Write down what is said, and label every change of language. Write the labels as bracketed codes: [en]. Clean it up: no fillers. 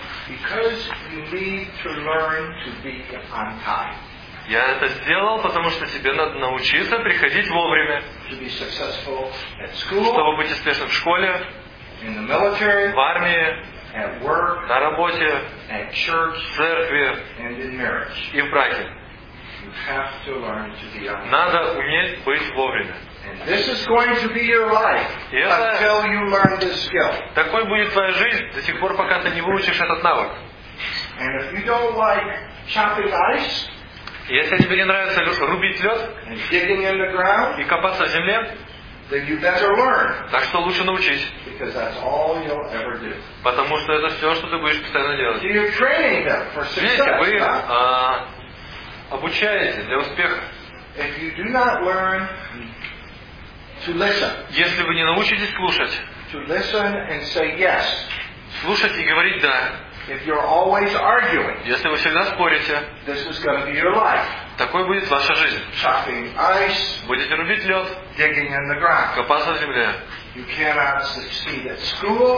[en] Because you need to learn to be on time. [ru] Я это сделал, потому что тебе надо научиться приходить вовремя. [en] To be successful at school, [ru] чтобы быть успешным в школе, [en] in the military, [ru] в армии, [en] at work, [ru] на работе, [en] at church, [ru] в церкви, [en] and in marriage. [ru] И в браке. [en] You have to learn to be on. [ru] Надо уметь быть вовремя. [en] And this is going to be your life until you learn this skill. [ru] Такой будет твоя жизнь до тех пор, пока ты не выучишь этот навык. [en] And if you don't like chopping ice, [ru] если тебе не нравится рубить лед, [en] and digging in the ground, [ru] и копаться в земле, [en] then you better learn. [ru] Так что лучше научись. [en] Because that's all you'll ever do. [ru] Потому что это все, что ты будешь постоянно делать. [en] You're training them for success. [ru] Видите, вы обучаете для успеха. [en] If you do not learn to listen, [ru] если вы не научитесь слушать, [en] to listen and say yes, [ru] слушать и говорить да, [en] if you're always arguing, [ru] если вы всегда спорите, [en] this is going to be your life. [ru] Такой будет ваша жизнь. [en] Chopping ice, [ru] будете рубить лед, [en] digging in the ground, [ru] копаться в земле. [en] You cannot succeed at school.